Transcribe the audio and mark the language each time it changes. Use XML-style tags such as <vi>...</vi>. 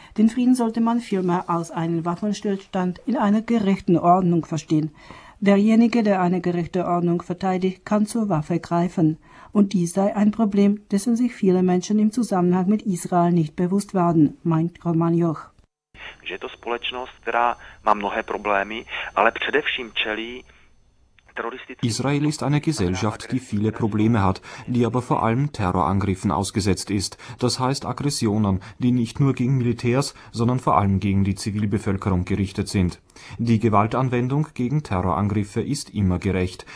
<de>Den Frieden sollte man vielmehr als einen Waffenstillstand in einer gerechten Ordnung verstehen. Derjenige, der eine gerechte Ordnung verteidigt, kann zur Waffe greifen. Und dies sei ein Problem, dessen sich viele Menschen im Zusammenhang mit Israel nicht bewusst werden, meint Roman Joch.</de> <cs>Je to společnost, která má mnohé problémy, ale především čelí.</cs> <de>Israel ist eine Gesellschaft, die viele Probleme hat, die aber vor allem Terrorangriffen ausgesetzt ist. Das heißt Aggressionen, die nicht nur gegen Militärs, sondern vor allem gegen die Zivilbevölkerung gerichtet sind. Die Gewaltanwendung gegen Terrorangriffe ist immer gerecht.</de>